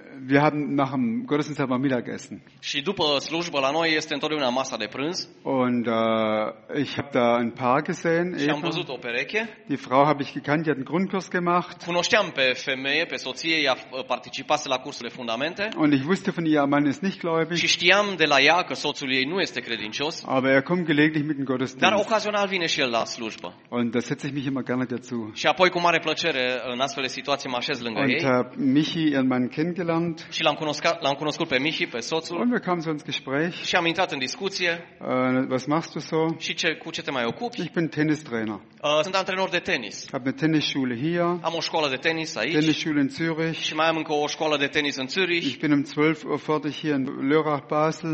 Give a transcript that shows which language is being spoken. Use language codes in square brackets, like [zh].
[de] Wir haben nach dem Gottesdienst haben wir Mittagessen. [ro] Și după slujbă la noi este întotdeauna masa de prânz. [de] Und ich habe da ein paar gesehen. [ro] Și am văzut o pereche. [de] Die Frau habe ich gekannt, die hat einen Grundkurs gemacht. [ro] Cunoșteam pe femeie, pe soție, ea participase la cursurile fundamente. [de] Und ich wusste von ihr, Mann ist nicht gläubig. [ro] Și știam de la ea că soțul ei nu este credincios. [de] Aber er kommt gelegentlich mit dem Gottesdienst. [ro] Dar ocazional vine și el la slujbă. [de] Und da setze ich mich immer gerne dazu. [ro] Și apoi cu mare plăcere în astfel de situații mă așez lângă [de] und, [ro] ei. [de] Und Michi, ihren Mann kennengelernt. [ro] Și l-am cunoscut pe Michi, pe soțul. [de] Und wir kamen so ins Gespräch. [ro] Și am intrat în discuție. [de] Was machst du so? [ro] Și cu ce te mai ocupi? [de] Ich bin Tennistrainer. [ro] Sunt antrenor de tenis. [de] Hab eine Tennisschule hier. [ro] Am o școală de tenis aici. [de] Tennisschule in Zürich. [ro] Și mai am încă o școală de tenis în Zürich. [de] Ich bin um 12 Uhr fertig hier in Lörrach, Basel.